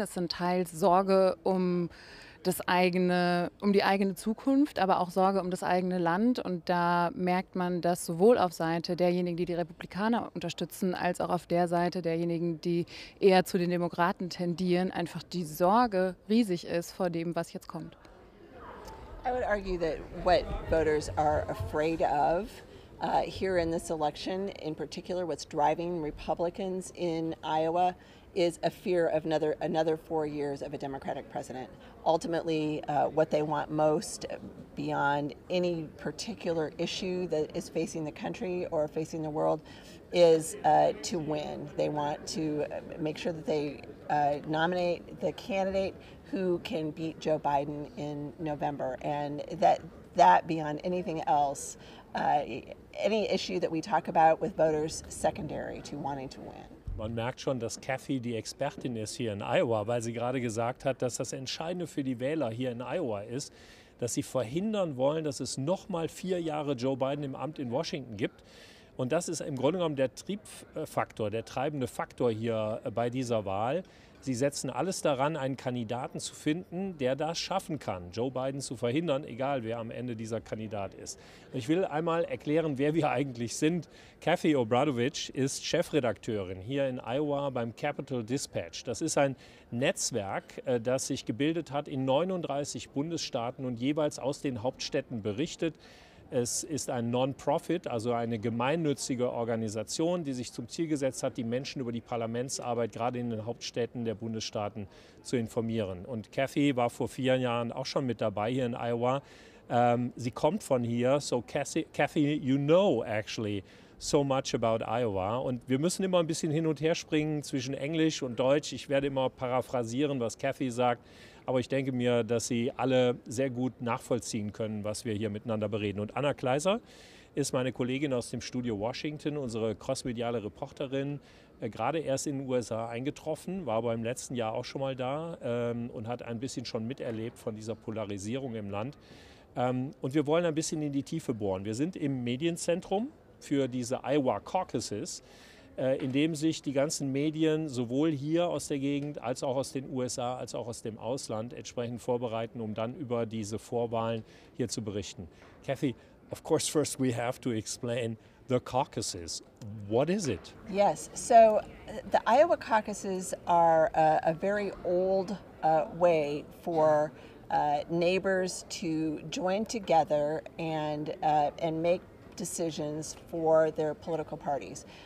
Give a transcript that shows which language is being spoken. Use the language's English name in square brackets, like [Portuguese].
[German] Es sind teils Sorge um das eigene, um die eigene Zukunft, aber auch Sorge um das eigene Land. Und da merkt man, dass sowohl auf Seite derjenigen, die die Republikaner unterstützen, als auch auf der Seite derjenigen, die eher zu den Demokraten tendieren, einfach die Sorge riesig ist vor dem, was jetzt kommt. [English] I would argue that what voters are afraid of here in this election, in particular what's driving Republicans in Iowa, is a fear of another 4 years of a Democratic president. Ultimately, what they want most beyond any particular issue that is facing the country or facing the world is to win. They want to make sure that they nominate the candidate who can beat Joe Biden in November, and that beyond anything else, any issue that we talk about with voters secondary to wanting to win. [German] Man merkt schon, dass Kathie die Expertin ist hier in Iowa, weil sie gerade gesagt hat, dass das Entscheidende für die Wähler hier in Iowa ist, dass sie verhindern wollen, dass es noch mal 4 Jahre Joe Biden im Amt in Washington gibt. Und das ist im Grunde genommen der Triebfaktor, der treibende Faktor hier bei dieser Wahl. Sie setzen alles daran, einen Kandidaten zu finden, der das schaffen kann, Joe Biden zu verhindern, egal wer am Ende dieser Kandidat ist. Ich will einmal erklären, wer wir eigentlich sind. Kathie Obradovich ist Chefredakteurin hier in Iowa beim Capital Dispatch. Das ist ein Netzwerk, das sich gebildet hat in 39 Bundesstaaten und jeweils aus den Hauptstädten berichtet. Es ist ein Non-Profit, also eine gemeinnützige Organisation, die sich zum Ziel gesetzt hat, die Menschen über die Parlamentsarbeit gerade in den Hauptstädten der Bundesstaaten zu informieren. Und Kathie war vor 4 Jahren auch schon mit dabei hier in Iowa. Sie kommt von hier. [English] So Kathie, you know actually so much about Iowa. [German] Und wir müssen immer ein bisschen hin und her springen zwischen Englisch und Deutsch. Ich werde immer paraphrasieren, was Kathie sagt. Aber ich denke mir, dass Sie alle sehr gut nachvollziehen können, was wir hier miteinander bereden. Und Anna Kleiser ist meine Kollegin aus dem Studio Washington, unsere crossmediale Reporterin, gerade erst in den USA eingetroffen, war aber im letzten Jahr auch schon mal da und hat ein bisschen schon miterlebt von dieser Polarisierung im Land. Und wir wollen ein bisschen in die Tiefe bohren. Wir sind im Medienzentrum für diese Iowa Caucuses, in dem sich die ganzen Medien sowohl hier aus der Gegend als auch aus den USA als auch aus dem Ausland entsprechend vorbereiten, um dann über diese Vorwahlen hier zu berichten. [English] Kathie, of course, first we have to explain the caucuses. What is it? Yes, so the Iowa caucuses are a very old way for neighbors to join together and make decisions for their political parties.